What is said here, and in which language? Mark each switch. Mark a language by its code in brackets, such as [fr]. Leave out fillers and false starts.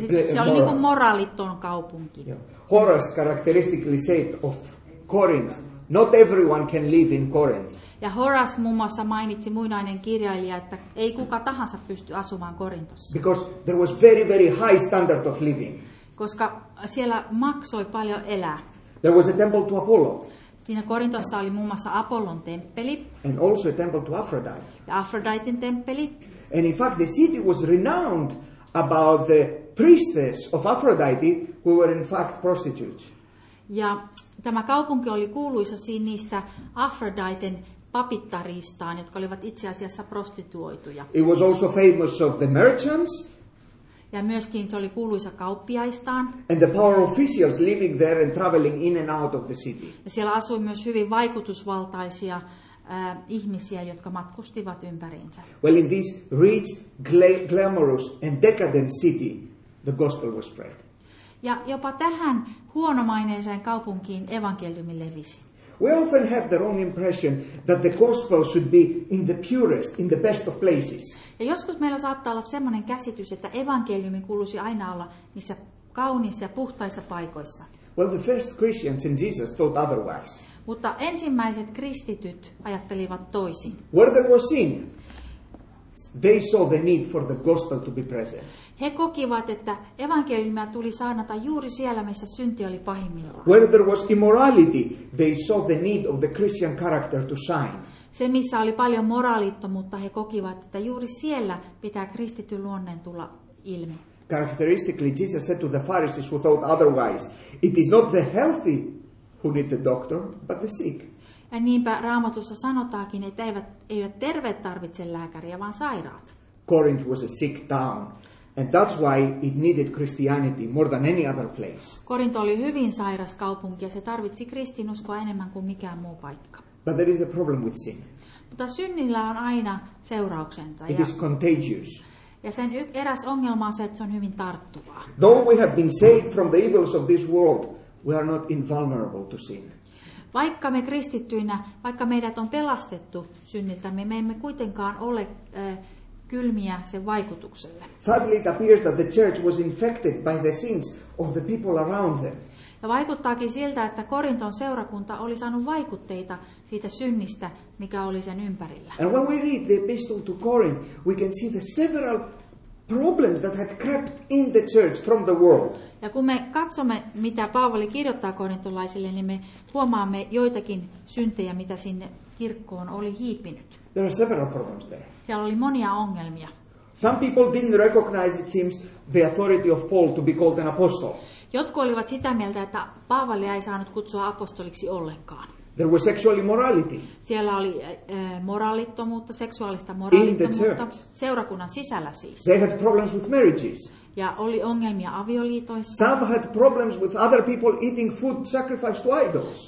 [fi] Se on niin kuin moraaliton kaupunki. [en] Yeah. Horace characteristically said of Corinth, not everyone can live in Corinth. [fi] Ja Horace muun muassa mainitsi muinainen kirjailija, että ei kuka tahansa pysty asumaan Korintossa. [en] Because there was very, very high standard of living. [fi] Koska siellä maksoi paljon elää. [en] There was a temple to Apollo. [fi] Siinä Korintossa oli muun muassa Apollon temppeli. [en] And also a temple to Aphrodite. [fi] Ja Aphroditen temppeli. [en] And in fact the city was renowned about the priestess of Aphrodite who were in fact prostitutes. [fi] Ja tämä kaupunki oli kuuluisa siinä niistä Aphroditen papittaristaan, jotka olivat itse asiassa prostituoituja. [en] It was also famous of the merchants. [fi] Ja myöskin se oli kuuluisa kauppiaistaan. [en] And the power officials living there and traveling in and out of the city. [fi] Ja siellä asui myös hyvin vaikutusvaltaisia ihmisiä, jotka matkustivat ympäriinsä. [en] Well, in this rich, glamorous and decadent city, the gospel was spread. [fi] Ja jopa tähän huonomaineeseen kaupunkiin evankeliumi levisi. [en] We often have the wrong impression that the gospel should be in the purest, in the best of places. [fi] Ja joskus meillä saattaa olla semmoinen käsitys, että evankeliumi kuuluisi aina olla niissä kauniissa ja puhtaissa paikoissa. [en] Well, the first Christians in Jesus thought otherwise. [fi] Mutta ensimmäiset kristityt ajattelivat toisin. [en] Where there was sin, they saw the need for the gospel to be present. [fi] He kokivat, että evankeliumia tuli saarnata juuri siellä, missä synti oli pahimmillaan. [en] Where there was immorality, they saw the need of the Christian character to shine. [fi] Se, missä oli paljon moraalittomuutta, he kokivat, että juuri siellä pitää kristityn luonneen tulla ilmi. [en] Characteristically, Jesus said to the Pharisees who thought otherwise, it is not the healthy who need the doctor, but the sick. [fi] Ja niinpä Raamatussa sanotaankin, että eivät terveet tarvitse lääkäriä, vaan sairaat. [en] Corinth was a sick town. And that's why it needed Christianity more than any other place. [fi] Korinto oli hyvin sairas kaupunki ja se tarvitsi kristinuskoa enemmän kuin mikään muu paikka. [en] But there is a problem with sin. [fi] Mutta synnillä on aina seurauksensa. [en] It is contagious. [fi] Ja sen eräs ongelma on se, että se on hyvin tarttuvaa. [en] Though we have been saved from the evils of this world, we are not invulnerable to sin. [fi] Vaikka me kristittyinä, vaikka meidät on pelastettu synniltä, me emme kuitenkaan ole kylmiä sen vaikutukselle. [en] Sadly it appears that the church was infected by the sins of the people around them. [fi] Ja vaikuttaakin siltä, että Korinton seurakunta oli saanut vaikutteita siitä synnistä, mikä oli sen ympärillä. [en] And when we read the epistle to Corinth, we can see the several problems that had crept in the church from the world. [fi] Ja kun me katsomme, mitä Paavali kirjoittaa korintolaisille, niin me huomaamme joitakin syntejä, mitä sinne kirkkoon oli hiipinyt. [en] There are several problems there. [fi] Siellä oli monia ongelmia. [en] Some people didn't recognize, it seems, the authority of Paul to be called an apostle. [fi] Jotkut olivat sitä mieltä, että Paavali ei saanut kutsua apostoliksi ollenkaan. [en] There was sexual immorality. [fi] Siellä oli moraalittomuutta, seksuaalista moraalittomuutta seurakunnan sisällä siis. [en] They had problems with marriages. [fi] Ja oli ongelmia avioliitoissa. [en] Some had problems with other people eating food sacrificed to idols.